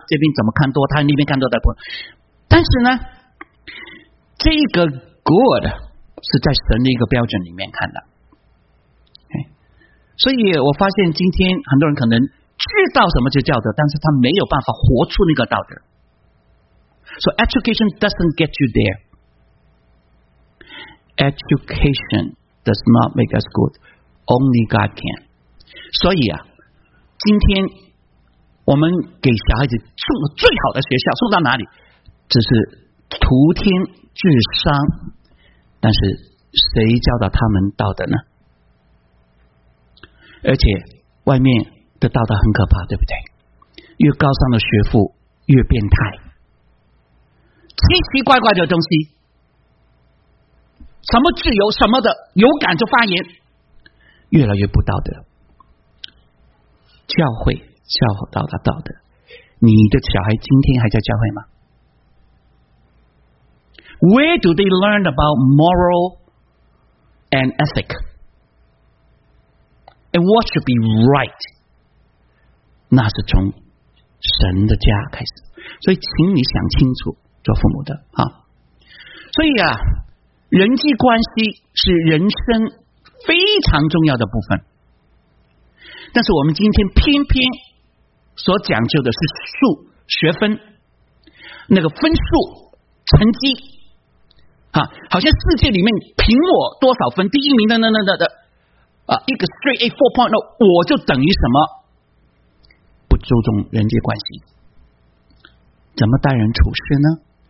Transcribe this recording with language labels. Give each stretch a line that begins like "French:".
Chinese: 这边怎么看多，他那边看多的不。但是呢，这个 good 是在神的一个标准里面看的。所以我发现今天很多人可能知道什么叫道德，但是他没有办法活出那个道德。
English: So education doesn't get you there. Education does not make us good. Only God can.
Chinese: 所以啊，今天我们给小孩子送了最好的学校，送到哪里？这是徒添智商。但是谁教导他们道德呢？而且外面的道德很可怕，对不对？越高尚的学富越变态，奇奇怪怪的东西。什么自由什么的有感就发言，越来越不道德。教会教导他道德，你的小孩今天还在教会吗？
English: Where do they learn about moral and ethic and what should be right?
Chinese: 那是从神的家开始，所以请你想清楚做父母的啊。所以啊，人际关系是人生非常重要的部分，但是我们今天偏偏所讲究的是数学分，那个分数成绩啊，好像世界里面凭我多少分，第一名的啊，一个 straight A 4.0 我就等于什么，不注重人际关系，怎么待人处事呢？